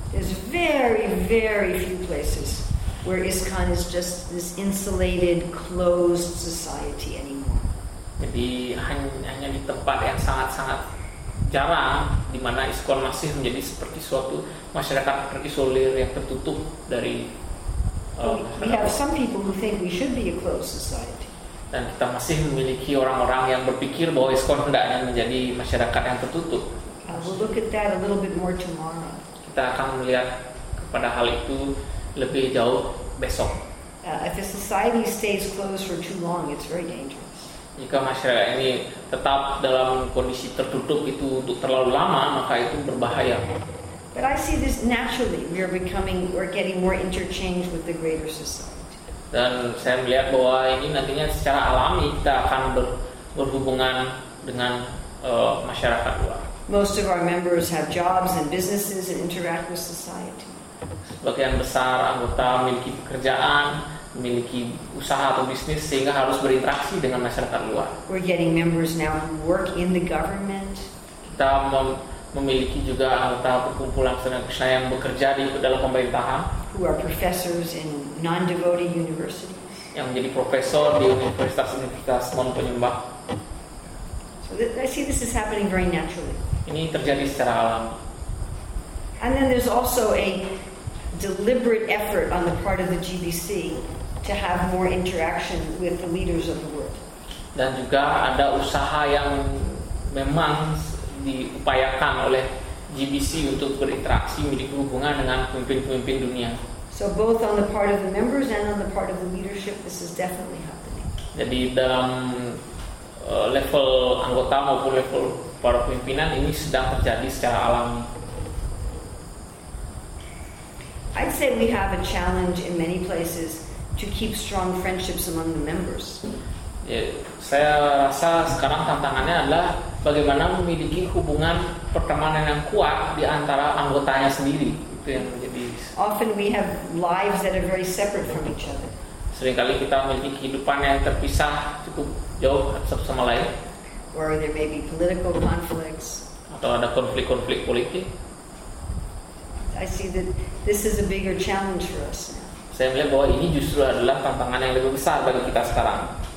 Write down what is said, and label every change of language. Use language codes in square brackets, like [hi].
[en] There's very, very few places where ISKCON is just this insulated, closed society anymore. [id] Jadi hanya di tempat yang sangat-sangat jarang di mana ISKCON masih menjadi seperti suatu masyarakat terisolir yang tertutup dari masyarakat. [en] We have some people who think we should be a closed society. [id] Dan kita masih memiliki orang-orang yang berpikir bahwa ISKCON hendaknya menjadi masyarakat yang tertutup. [en] We'll look at that a little bit more tomorrow. [id] Kita akan melihat kepada hal itu lebih jauh besok. [en] If a society stays closed for too long, it's very dangerous. [id] Jika masyarakat ini tetap dalam kondisi tertutup itu untuk terlalu lama, maka itu berbahaya. [en] But I see this naturally. We're getting more interchange with the greater society. [id] Dan saya melihat bahwa ini nantinya secara alami kita akan berhubungan dengan masyarakat luar. [en] Most of our members have jobs and businesses and interact with society. [id] Sebagian besar anggota memiliki pekerjaan memiliki usaha atau bisnis sehingga harus berinteraksi dengan masyarakat luar. [en] We're getting members now who work in the government. [id] Kita memiliki juga anggota perkumpulan Krishna yang bekerja di dalam pemerintahan. [en] Who are professors in non-devotee universities. [id] Yang menjadi profesor di universitas-universitas non-penyembah. [en] So I see this is happening very naturally. [id] Ini terjadi secara alami. [en] And then there's also a deliberate effort on the part of the GBC to have more interaction with the leaders of the world. [id] Dan juga ada usaha yang memang diupayakan oleh GBC untuk berinteraksi, memiliki hubungan dengan pemimpin-pemimpin dunia. [en] So both on the part of the members and on the part of the leadership, this is definitely happening. [id] Jadi dalam level anggota maupun level para pimpinan ini sedang terjadi secara alami. [en] I'd say we have a challenge in many places to keep strong friendships among the members. [id] Saya rasa sekarang tantangannya adalah bagaimana memiliki hubungan pertemanan yang kuat di antara anggotanya sendiri. Itu yang menjadi. [en] Often we have lives that are very separate from each other. [id] Seringkali kita memiliki kehidupan yang terpisah cukup jauh satu sama lain. [en] Or there may be political conflicts. [id] Atau ada konflik-konflik politik. [en] I see that this is a bigger challenge for us now. [id] Saya melihat bahwa ini justru adalah tantangan yang lebih besar bagi kita sekarang.